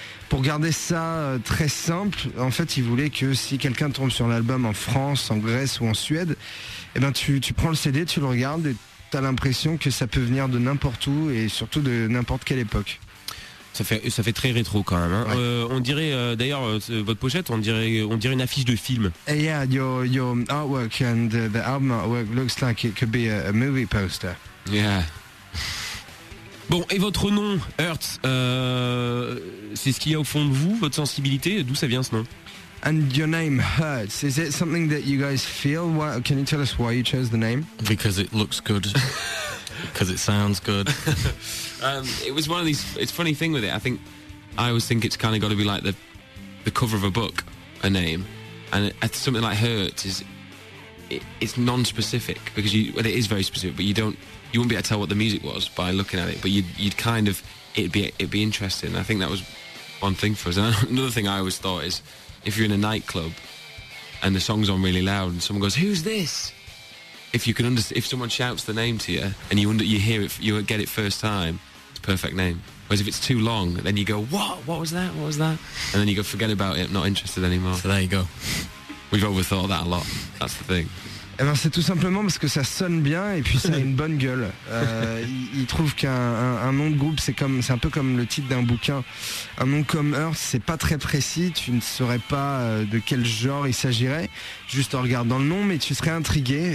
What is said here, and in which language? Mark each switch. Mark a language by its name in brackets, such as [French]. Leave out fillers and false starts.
[French] Pour garder ça très simple, en fait, ils voulaient que si quelqu'un tombe sur l'album en France, en Grèce ou en Suède, eh ben, tu prends le CD, tu le regardes et t'as l'impression que ça peut venir de n'importe où et surtout de n'importe quelle époque. Ça fait très rétro quand même. Hein. Ouais. On dirait d'ailleurs votre pochette, on dirait une affiche de film. [English] Yeah, your artwork and the album artwork looks like it could be a movie poster. Yeah. [French] Bon, et votre nom, Hertz, c'est ce qu'il y a au fond de vous, votre sensibilité, d'où ça vient ce nom? [English] And your name Hertz, is it something that you guys feel? Why, can you tell us why you chose the name? Because it looks good. Because it sounds good. It was one of these, it's funny thing with it, I think, I always think it's kind of got to be like the cover of a book, a name, and it's something like Hertz is, it's non-specific, because it is very specific, but you wouldn't be able to tell what the music was by looking at it, but you'd kind of, it'd be interesting. I think that was one thing for us. And another thing I always thought is, if you're in a nightclub and the song's on really loud and someone goes, who's this? If you can understand, if someone shouts the name to you and you hear it, you get it first time, it's a perfect name. Whereas if it's too long, then you go, what was that? And then you go, forget about it, I'm not interested anymore. So there you go. We've overthought that a lot, that's the thing. [French] Eh ben c'est tout simplement parce que ça sonne bien et puis ça a une bonne gueule. Il trouve qu'un nom de groupe, c'est un peu comme le titre d'un bouquin. Un nom comme Earth, c'est pas très précis, tu ne saurais pas de quel genre il s'agirait, juste en regardant le nom, mais tu serais intrigué.